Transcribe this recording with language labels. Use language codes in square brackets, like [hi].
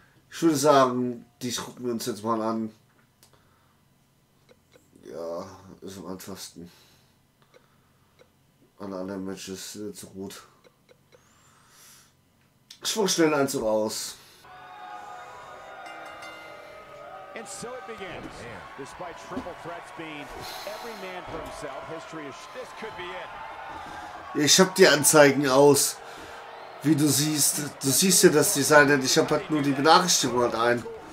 [de] Ich würde sagen, die gucken wir uns jetzt mal an. Ja, ist am einfachsten. An anderen Matches ist nicht so gut. Ich spuck schnell eins raus. [en] And so it begins. Despite triple threats being every man for himself, history is this could be it. [de] Ich hab die Anzeigen aus. Wie du siehst. Du siehst ja das Design, denn ich hab halt nur die Benachrichtigung halt ein.